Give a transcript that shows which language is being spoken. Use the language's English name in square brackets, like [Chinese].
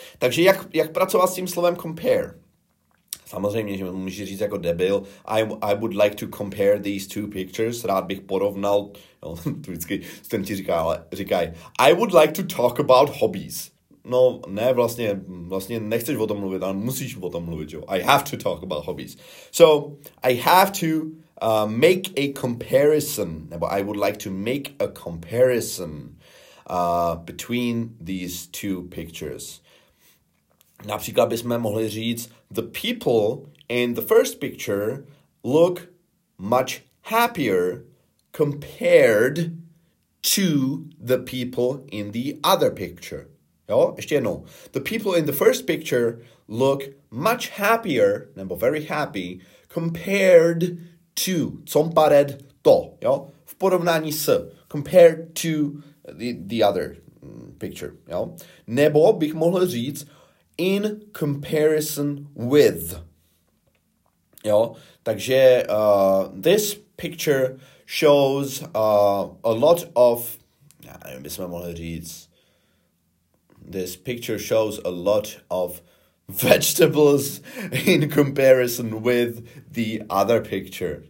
[Czech] Takže jak pracovat s tím slovem compare? Samozřejmě, že můžeš říct jako debil, [English] I would like to compare these two pictures, [Czech] rád bych porovnal, jo, to vždycky s tím ti říká, ale říkaj, [English] I would like to talk about hobbies. [Czech] No, ne, vlastně nechceš o tom mluvit, ale musíš o tom mluvit, jo. [English] I have to talk about hobbies. So, I have to make a comparison, [Czech] nebo [English] I would like to make a comparison between these two pictures. [Czech] Například bychom mohli říct, [English] the people in the first picture look much happier compared to the people in the other picture. [Czech] Jo, ještě jednou. [English] The people in the first picture look much happier, nebo very happy, compared to, compared to, jo, [Czech] v porovnání s, [English] compared to the other picture, jo. [Czech] Nebo bych mohl říct, [English] in comparison with, [Czech] jo. [English] Takže this picture shows a lot of, [Czech] já nevím, bychom mohli říct, [English] this picture shows a lot of vegetables in comparison with the other picture.